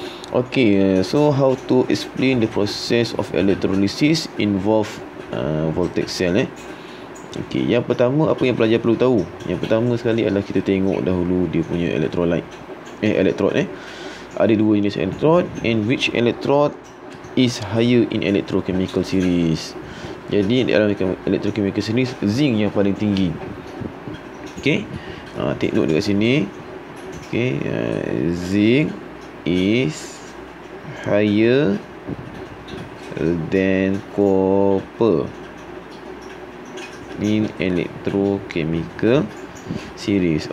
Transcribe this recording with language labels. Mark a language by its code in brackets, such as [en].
[en] Okay, so how to explain the process of electrolysis involve voltaic cell . [ms] Okey, yang pertama apa yang pelajar perlu tahu? Yang pertama sekali adalah kita tengok dahulu dia punya electrolyte. [en] Electrode. [ms] Ada dua jenis electrode, [en] and which electrode is higher in electrochemical series. [ms] Jadi dalam electrochemical series, zinc yang paling tinggi. Okey. [en] Take note [ms] dekat sini. [en] Okey, zinc is higher than copper in electrochemical series.